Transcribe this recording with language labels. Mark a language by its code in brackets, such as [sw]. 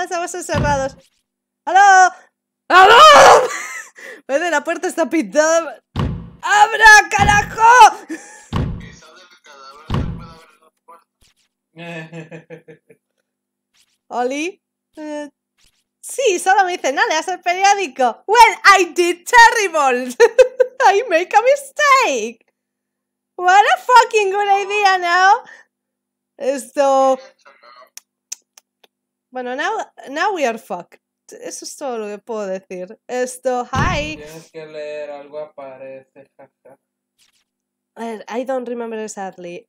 [es] ¿Estamos encerrados? [en] ¿Hello? ¿Hello? [es] Vale, la puerta está pintada. ¡Abra, carajo! ¿Oli? Sí, solo me dice, nada, es el periódico. [en] Well, I did terrible. I make a mistake. What a fucking good idea now. [es] Esto... Bueno, [en] now we are fucked. [es] Eso es todo lo que puedo decir. Esto, [en] hi. [es] Tienes que leer algo, aparece. [en] I don't remember exactly.